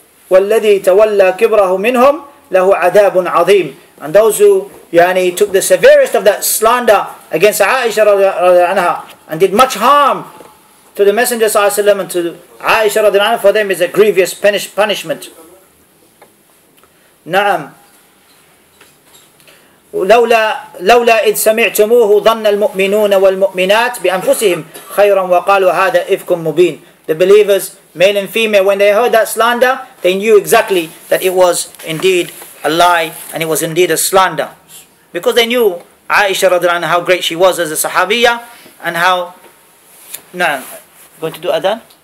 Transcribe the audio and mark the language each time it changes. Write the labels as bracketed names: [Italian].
[Arabic] وَالَّذِي تَوَلَّى كِبْرَهُ مِنْهُمْ لَهُ عَذَابٌ عَظِيمٌ. [English] And those who yani took the severest of that slander against Aisha radiallahu anha and did much harm to the Messenger sallallahu alayhi wa sallam and to Aisha radiallahu anha, for them is a grievous punishment. [Arabic] نعم. لولا إذ سمعتموه ظن المؤمنون والمؤمنات بأنفسهم خيرا وقالوا هذا إفك مبين. [English] The believers, male and female, when they heard that slander, they knew exactly that it was indeed a lie and it was indeed a slander. Because they knew Aisha radiallahu anha, how great she was as a Sahabiyya, and how... Naam. Going to do adhan?